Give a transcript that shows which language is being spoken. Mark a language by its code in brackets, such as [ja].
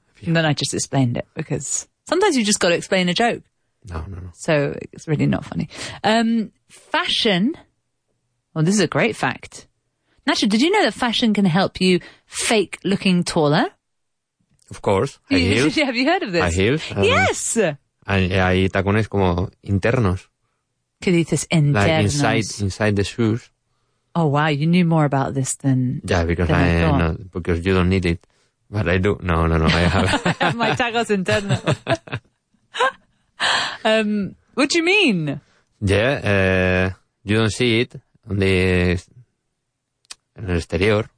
[en] And then I just explained it because sometimes you just got to explain a joke. No. So it's really not funny. Fashion. Well, this is a great fact. Nacho, did you know that fashion can help you fake looking taller? Of course. Have you heard of this? High heels. Yes. [es] Hay tacones como internos. ¿Qué dices internos? [en] Like inside the shoes. Oh, wow. You knew more about this than because you don't need it. But I do. No. I have my tacos in turn. What do you mean? Yeah. You don't see it on the exterior.